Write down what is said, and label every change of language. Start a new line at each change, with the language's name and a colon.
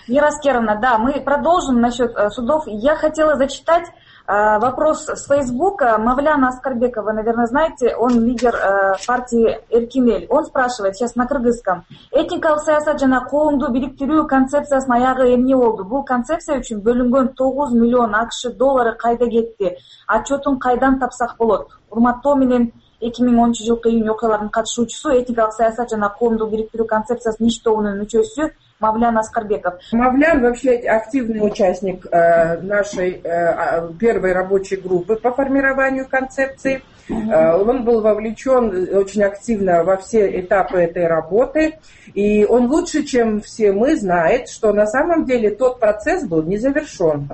Russian: Мира Аскеровна, да, мы продолжим насчет судов. Я хотела зачитать вопрос с Фейсбука. Мавляна Аскарбекова, наверное, знаете, он лидер партии Эркинель. Он спрашивает сейчас на кыргызском.
Kyrgyz: Этникал саясаджана колунду биликтирую концепция с маяга эмне олду. Бул концепция үчүн бөлүнгөн 9 миллион акш доллары кайда кетти? Отчетун кайдан тапсак болот? Урматтоо менен 2013 жылкы июнь окуяларынын катышуучусу, этникал саясат жана коомдук бириктирүү концепциясынын иш тобунун мүчөсү Мавлян Аскарбеков.
Russian: Мавлян вообще активный участник нашей первой рабочей группы по формированию концепции. Он был вовлечен очень активно во все этапы этой работы. И он лучше, чем все мы, знает, что на самом деле тот процесс был не завершен.